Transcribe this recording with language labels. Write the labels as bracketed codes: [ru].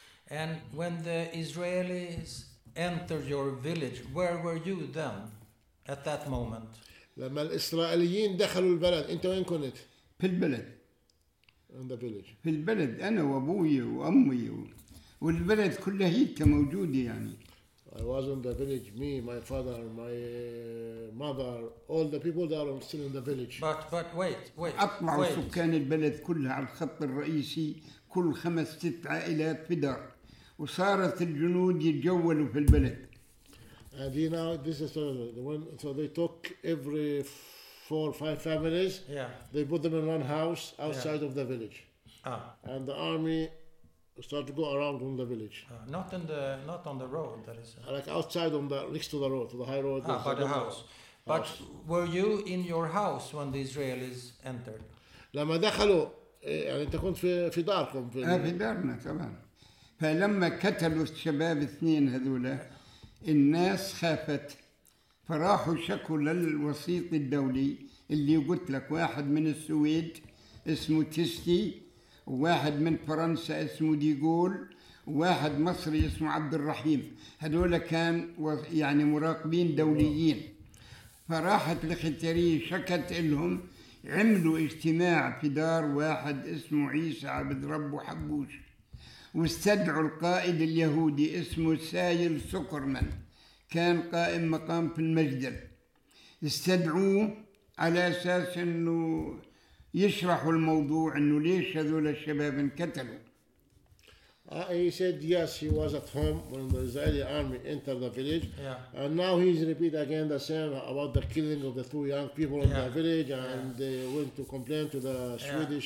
[en] and when the Israelis entered your village where were you then at that moment [ar] لما الإسرائيليين دخلوا البلد أنت وين كنت في البلد [en] in the village [ar] في البلد أنا وأبوي وأمي والبلد كلها هي موجودة يعني. [en] I was in the village. Me, my father, my mother, all the people that are still in the village. But wait. [ar] أطلعوا سكان البلد كلها على الخط الرئيسي كل 5-6 عائلات في دار وصارت الجنود يتجولوا في البلد. [en] And you know this is the one. So they took every 4-5 families. Yeah. They put them in one house outside of the village. Ah. And the army. Start to go around on the village. Not on the road. That is like outside on the next to the road, to the high road. By the house. But were you in your house when the Israelis entered? [ar] لما دخلوا يعني أنت كنت في داركم في. في دارنا كمان. فلما كتلوا الشباب 2 هذولا الناس خافت فراحوا شكوا للوسيط الدولي اللي قلت لك واحد من السويد اسمه تيستي. واحد من فرنسا اسمه ديغول واحد مصري اسمه عبد الرحيم هذول كان يعني مراقبين دوليين فراحت الختيارية شكت لهم عملوا اجتماع في دار واحد اسمه عيسى عبد رب وحبوش واستدعوا القائد اليهودي اسمه سايل سكرمن كان قائم مقام في المسجد، استدعوه على أساس أنه يشرحوا الموضوع أنه ليش هذول الشباب انقتلوا. [en] He said yes, he was at home when the Israeli army entered the village. Yeah. And now he's repeat again the same about the killing of the two young people in the village, and they went to complain to the Swedish.